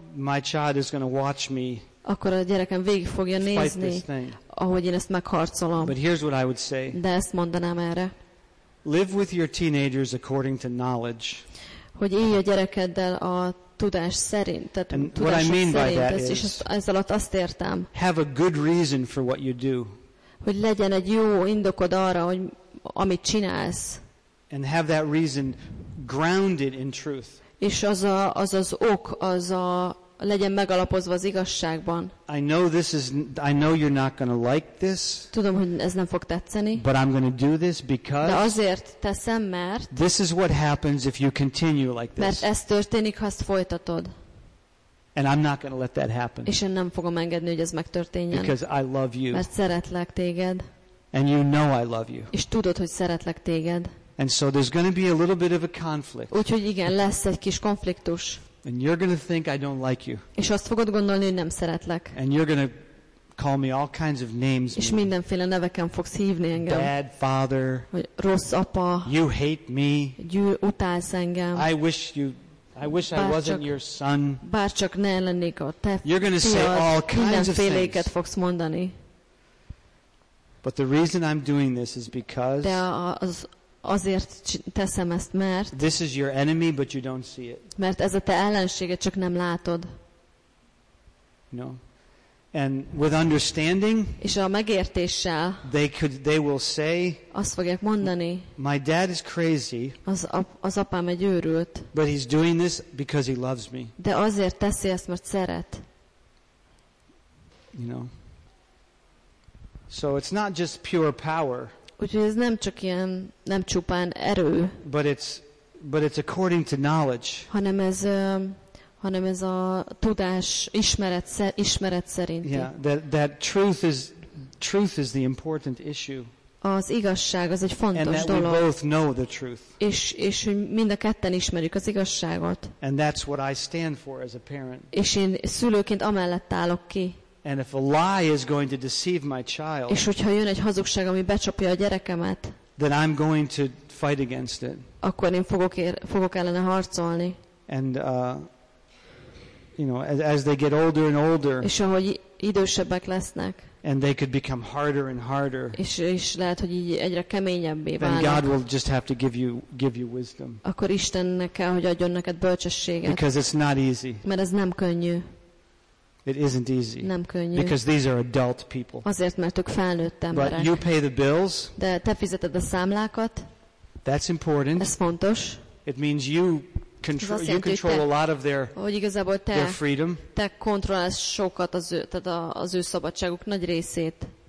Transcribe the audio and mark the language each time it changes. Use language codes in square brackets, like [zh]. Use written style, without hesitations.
[en] my child is going to watch me. [hu] Akkor a gyerekem végig fogja nézni, ahogy én ezt megharcolom. [en] But here's what I would say. [hu] De ezt mondanám erre. [en] Live with your teenagers according to knowledge. [hu] Hogy élj a gyerekeddel a tudás szerint, tehát tudásod szerint. [en] And what I mean by that is, [hu] és ez alatt azt értem. [en] Have a good reason for what you do. [hu] Hogy legyen egy jó indokod arra, hogy amit csinálsz. [en] And have that reason grounded in truth. [hu] És az az ok, az a legyen megalapozva az igazságban. [en] I know you're not going to like this. [hu] Tudom, hogy ez nem fog tetszeni. [en] But I'm going to do this because. [hu] De azért teszem, mert. [en] This is what happens if you continue like this. [hu] Mert ez történik, ha ezt folytatod. [en] And I'm not going to let that happen. [hu] És én nem fogom engedni, hogy ez megtörténjen. [en] Because I love you. [hu] Mert szeretlek téged. [en] And you know I love you. [hu] És tudod, hogy szeretlek téged. [en] And so there's going to be a little bit of a conflict. [hu] Úgyhogy igen, lesz egy kis konfliktus. [en] And you're going to think I don't like you. [hu] És azt fogod gondolni, hogy nem szeretlek. [en] And you're going to call me all kinds of names. [hu] És mindenféle neveken fogsz hívni engem. [en] Bad father. [hu] Vagy rossz apa. [en] You hate me. [hu] Utálsz engem. [en] I wish I wasn't your son. [hu] Bárcsak ne lennék a te fiad. [en] You're going to say all kinds of things. [hu] Mindenféléket fogsz mondani. [en] But the reason I'm doing this is because. [hu] De azért teszem ezt, mert [en] this is your enemy, but you don't see it. [hu] Mert ez a te ellenséged, csak nem látod. [en] No. And with understanding, [hu] és a megértéssel, [en] they will say, [hu] azt fogják mondani, [en] my dad is crazy, [hu] az apám egy őrült, [en] but he's doing this because he loves me. [hu] De azért teszi ezt, mert szeret. [en] You know. So it's not just pure power. [hu] Úgyhogy ez nem csak ilyen, nem csupán erő. [en] But it's according to knowledge. [hu] Hanem ez a tudás ismeret szerint. [en] Yeah, that truth is the important issue. [hu] Az igazság az egy fontos [en] and that [hu] dolog. [en] And we both know the truth. [hu] És hogy mind a ketten ismerjük az igazságot. [en] And that's what I stand for as a parent. [hu] És én szülőként amellett állok ki. [en] And if a lie is going to deceive my child. [hu] És hogyha jön egy hazugság, ami becsapja a gyerekemet. [en] Then I'm going to fight against it. [hu] Akkor én fogok ellene harcolni. [en] And you know, as they get older and older. [hu] És ahogy idősebbek lesznek. [en] And they could become harder and harder. [hu] És lehet, hogy így egyre keményebbé válnak. [en] Then God will just have to give you wisdom. [hu] Akkor Istennek kell, hogy adjon neked bölcsességet. [en] Because it's not easy. [hu] Mert ez nem könnyű. [en] It isn't easy. [hu] Nem könnyű. [en] Because these are adult people. [hu] Azért, mert ők felnőtt emberek. [en] But you pay the bills. [hu] De te fizeted a számlákat. [en] That's important. [hu] Ez fontos. [en] It means you control a lot of their freedom. [hu] Te kontrollálsz sokat az ő szabadságuk nagy részét.